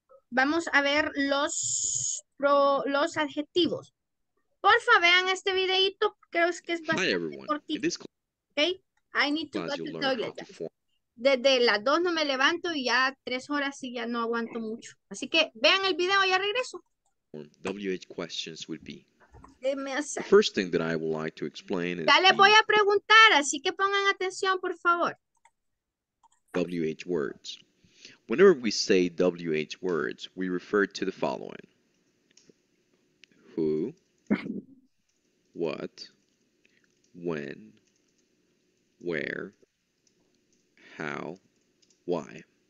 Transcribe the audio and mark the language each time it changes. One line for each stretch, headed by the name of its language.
Spanish: vamos a ver los adjetivos. Porfa, vean este videito. Creo que es bastante cortito. Okay?
English: I need to go to the toilet.
Spanish: Desde las 2 no me levanto y ya 3 horas y ya no aguanto mucho. Así que vean el video y ya regreso.
English: WH questions will be. The first thing that I would like to explain is.
Spanish: Ya les voy a preguntar, así que pongan atención, por favor.
English: WH words. Whenever we say WH words, we refer to the following. Who, what, when, where, how, why.